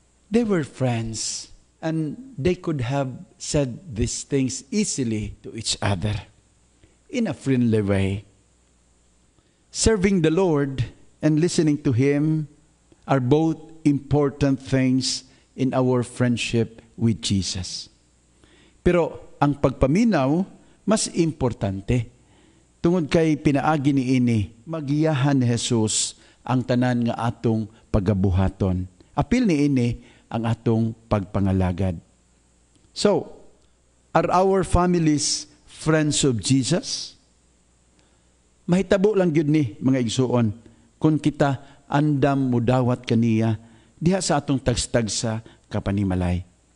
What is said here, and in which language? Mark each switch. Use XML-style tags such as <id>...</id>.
<en>They were friends and they could have said these things easily to each other in a friendly way. Serving the Lord and listening to Him are both important things in our friendship with Jesus.</en> <ceb>Pero ang pagpaminaw, mas importante. Tungod kay pinaagi ni ini, magiyahan ni Jesus ang tanan nga atong pagabuhaton. Apil ni ini ang atong pagpangalagad.</ceb> <en>So, are our families friends of Jesus?</en> <ceb>Mahitabo lang yun ni mga igsuon, kung kita andam mudawat kaniya diha sa atong tagstagsa kapanimalay.</ceb>